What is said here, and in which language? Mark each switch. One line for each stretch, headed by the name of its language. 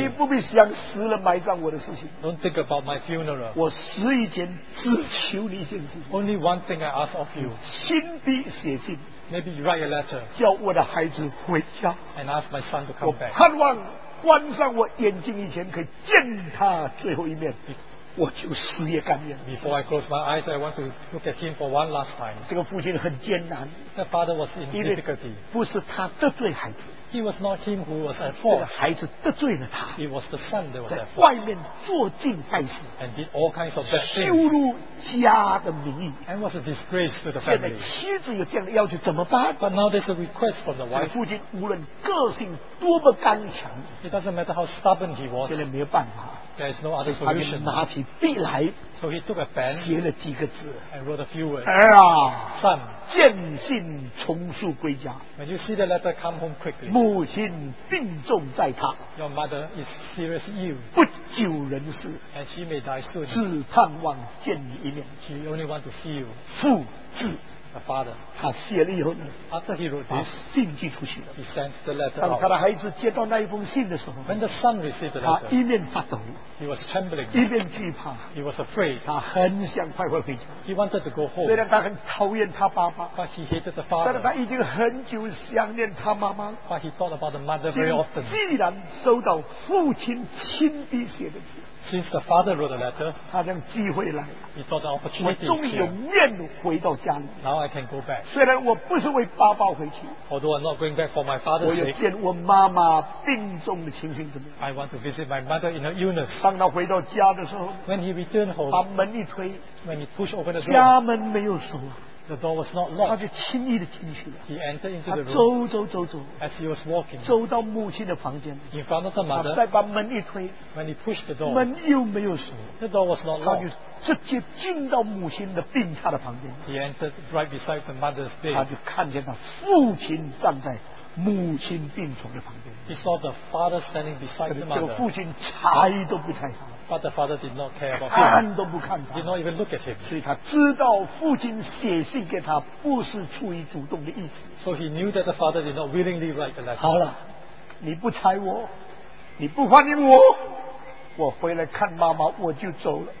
Chinese: 你不必想死了埋葬我的事情
English: Don't think about my funeral
Chinese: 我死以前只求你一件事情
English: Only one thing I ask of you
Chinese: 亲笔写信
English: Maybe you write a letter.
Chinese: 叫我的孩子回家。
English: And ask my son to come
Chinese: 我
English: back.
Chinese: 我盼望关上我眼睛以前可以见他最后一面，我就死也甘愿。
English: Before I close my eyes, I want to look at him for one last time.
Chinese: 这个父亲很艰难。
English: The father was in difficulty.
Chinese: 不是他得罪孩子。
English: He was not him who was at fault.
Chinese: 这个孩子得罪了他。
English: It was the son that was at fault.
Chinese: 在外面作尽坏事。
English: And did all kinds of bad things.
Chinese: 羞辱家的名义。
English: And was a disgrace to the family.
Chinese: 现在妻子有这样的要求怎么办？
English: But now there's a request from the wife.
Chinese: 这个父亲无论个性多么刚强。
English: It doesn't matter how stubborn he was.
Chinese: 现在没有办法。
English: There is no other solution.
Chinese: 他就拿起笔来。
English: So he took a pen.
Chinese: 写了几个字。
English: And wrote a few words.
Chinese: 儿啊。
English: Son.
Chinese: 见信从速归家。
English: When you see the letter, come home quickly.
Chinese: 母亲病重在她。
English: Your mother is serious ill.
Chinese: 不久人世。
English: And she may die soon.
Chinese: 只盼望见你一面。
English: She only wants to see you.
Chinese: 父子。
English: The father.
Chinese: 他写了以后呢
English: ？After he wrote this,
Chinese: 信寄出去了。
English: He sent the letter.
Chinese: 当他的孩子接到那一封信的时候
English: ，When the son received the letter,
Chinese: 他一面发抖
English: ，He was trembling.
Chinese: 一面惧怕
English: ，He was afraid.
Chinese: 他很想快快回家
English: ，He wanted to go home.
Chinese: 虽然他很讨厌他爸爸
English: ，But he hated the father.
Chinese: 但是他已经很久想念他妈妈
English: ，But he thought about the mother very often.
Chinese: 既然收到父亲亲笔写的信。
English: Since the father wrote a letter,
Chinese: 他让机会来
English: he thought the opportunity
Chinese: 我终于有面回到家里
English: Now I can go back.
Chinese: 虽然我不是为爸爸回去
English: Although I'm not going back for my father's sake,
Chinese: 我要见我妈妈病重的情形怎么样
English: I want to visit my mother in her illness.
Chinese: 当他回到家的时候
English: When he returned home,
Chinese: 把门一推
English: When he pushed open the door,
Chinese: 家门没有锁
English: The door was not locked.
Chinese: 他就轻易地进去了。
English: He entered into the room.
Chinese: 他走走走走。
English: As he was walking.
Chinese: 走到母亲的房间。
English: In front of the mother.
Chinese: 再把门一推。
English: When he pushed the door.
Chinese: 门又没有锁。
English: The door was not locked.
Chinese: 他就直接进到母亲的病榻的房间。
English: He entered right beside the mother's bed.
Chinese: 他就看见他父亲站在母亲病床的旁边。
English: He saw the father standing beside the mother.
Chinese: 这个父亲拆都不拆。
English: But the father did not care about him.
Chinese: 看都不看他。
English: Did not even look at him.
Chinese: 所以他知道父亲写信给他不是出于主动的意思。
English: So he knew that the father did not willingly write the letter.
Chinese: 好了，你不拆我，你不欢迎我，我回来看妈妈我就走了。